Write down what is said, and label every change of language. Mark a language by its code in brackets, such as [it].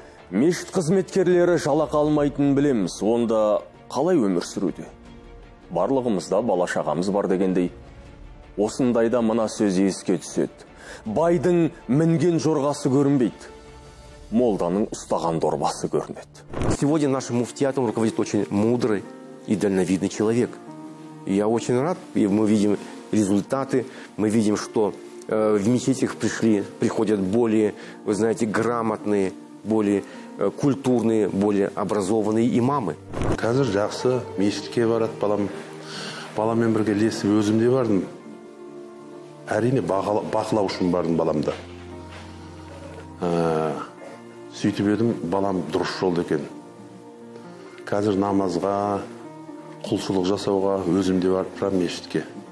[kk] Мешіт қызметкерлері жалақы алмайтынын білеміз. Онда қалай өмір сүруде? Барлығымызда бала шағамыз бар дегендей, осындайда мына сөз еске түседі: байдың мінген жорғасы көрінбейді, молданың ұстаған дорбасы көрінеді. [ru] Сегодня нашим муфтиятом руководит очень мудрый и дальновидный человек. Я очень рад, и мы видим результаты, мы видим, что в мечетях приходят более, вы знаете, грамотные, более культурные, более образованные имамы. [kk] Қазір жақсы мешітке барады балам. Баламен бірге лесіп өзім де бардым. Әрине бақылау үшін бардым баламды. Сөйтіп едім, балам дұрыс жолда екен. Қазір намазға, құлшылық жасауға өзім де барып тұрам мешітке.